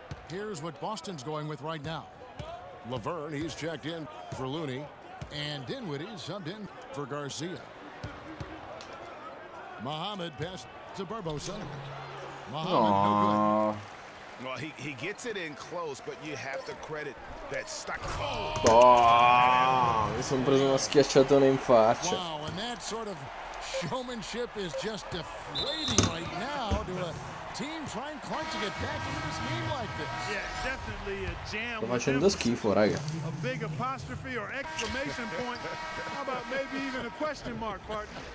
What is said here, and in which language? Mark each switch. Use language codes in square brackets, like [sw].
[en] Here's what Boston's going with right now. Laverne, he's checked in for Looney. And Dinwiddie's subbed in for Garcia. Muhammad passed to Barbosa. Muhammad, aww, no good. Well, he gets it in close, but you have to credit that stuck. [it] Oh, mi sono preso una schiacciatona in faccia. [en] Wow, and that sort of showmanship is just deflating right now to a team trying quite to get back into this game like this. Yeah, definitely a jam. [it] Sto facendo schifo, raga. [en] A big apostrophe or exclamation point. How about maybe even a question mark, partner?